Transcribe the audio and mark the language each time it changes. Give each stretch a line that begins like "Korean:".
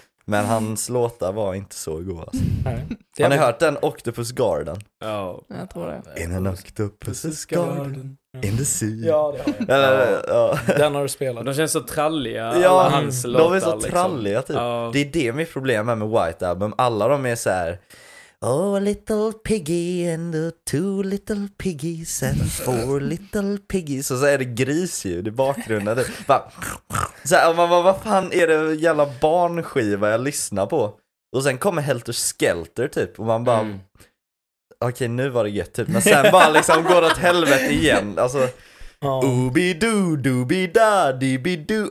Swedish: Men hans låtar var inte så god alltså. Nej. Har ni hört den Octopus Garden? Ja, jag tror det.
English: In an octopus garden. In the sea.
Swedish: Ja, det har jag. Den har du spelat. De känns så tralliga. Ja, alla hans de låtar, är så tralliga liksom. Typ. Det är det mitt problem är med White Album. Alla de är så här.
English: Oh, a little piggy and a two little piggies and four little piggies.
Swedish: Och så är det grisljud i bakgrunden. Det bara, så här, man bara, vad fan är det jävla barnskiva jag lyssnar på? Och sen kommer Helter Skelter typ. Och man bara, okej, nu var det gött typ. Men sen bara liksom går det åt helvete igen. Alltså, ooby-doo, dooby-da-dee-bee-doo.